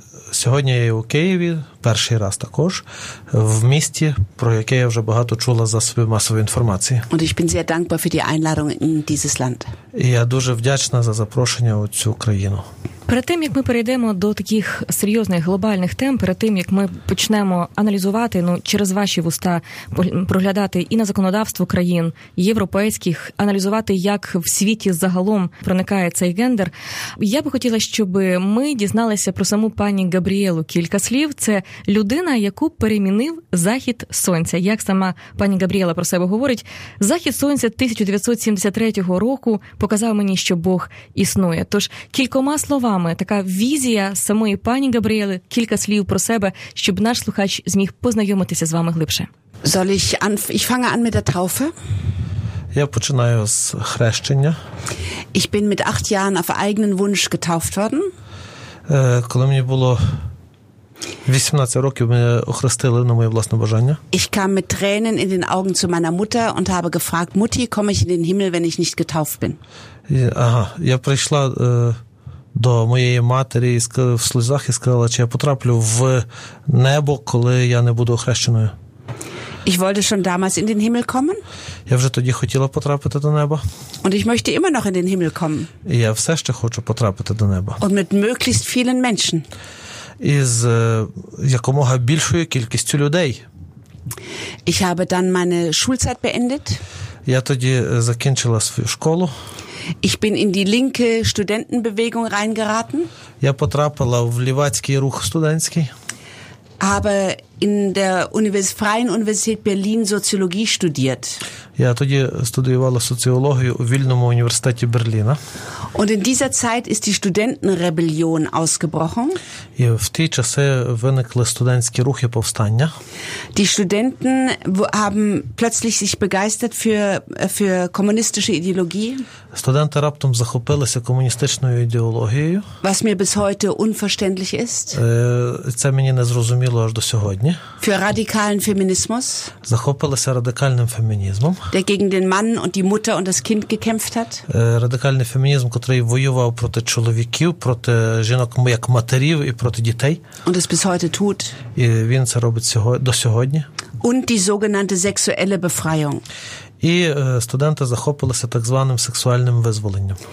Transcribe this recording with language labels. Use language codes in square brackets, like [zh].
[uk] Сьогодні я у Києві, перший раз також, в місті, про яке я вже багато чула за свою масову інформацію. [de] Und ich bin sehr dankbar für die Einladung in dieses Land. [uk] І я дуже вдячна за запрошення у цю країну. Перед тим, як ми перейдемо до таких серйозних глобальних тем, перед тим, як ми почнемо аналізувати, ну, через ваші вуста проглядати і на законодавство країн європейських, аналізувати, як в світі загалом проникає цей гендер, я би хотіла, щоб ми дізналися про саму пані Габріелу кілька слів. Це людина, яку перемінив захід сонця. Як сама пані Габріела про себе говорить, захід сонця 1973 року показав мені, що Бог існує. Тож, кількома словами, така візія самої пані Габріели, кілька слів про себе, щоб наш слухач зміг познайомитися з вами глибше. [de] Soll ich an, ich fange an mit der Taufe. [uk] Я починаю з хрещення. [de] Ich bin mit 8 Jahren auf eigenen Wunsch getauft worden. [uk] Коли мені було 18 років, мене охрестили на моє власне бажання. [de] Ich kam mit Tränen in den Augen zu meiner Mutter und habe gefragt: Mutti, komme ich in den Himmel, wenn ich nicht getauft bin? [uk] Ага, я прийшла до моєї матері в сльозах і сказала, чи я потраплю в небо, коли я не буду охрещеною. [de] Ich wollte schon damals in den Himmel kommen. [uk] Я вже тоді хотіла потрапити до неба. [de] Und ich möchte immer noch in den Himmel kommen. [uk] І я все ще хочу потрапити до неба. [de] Und mit möglichst vielen Menschen. [uk] І з якомога більшою кількістю людей. [de] Ich habe dann meine Schulzeit beendet. [uk] Я тоді закінчила свою школу. [de] Ich bin in die linke Studentenbewegung reingeraten. [uk] Я потрапила в лівацький рух студентський. [de] Habe in der Freien Universität Berlin Soziologie studiert. [uk] Ja, тоді studiувала соціологію у Вільному університеті Берліна. [de] Und in dieser Zeit ist die Studentenrebellion ausgebrochen. [uk] І в ті часи виникли студентські рухи повстання. [de] Die Studenten haben plötzlich sich begeistert für kommunistische Ideologie. [uk] Студенти раптом захопилися комуністичною ідеологією. [de] Was mir bis heute unverständlich ist. [uk] Це мені не зрозуміло аж до сьогодні. [de] Für radikalen Feminismus. [uk] Захопилися радикальним фемінізмом. [de] Der gegen den Mann und die Mutter und das Kind gekämpft hat. [uk] Радикальний фемінізм, котрий воював проти чоловіків, проти жінок як матерів і проти дітей. [de] Und es bis heute tut. [uk] І він це робить до сьогодні. [de] Und die sogenannte sexuelle Befreiung. [uk] І студенти захопилися так званим сексуальним визволенням.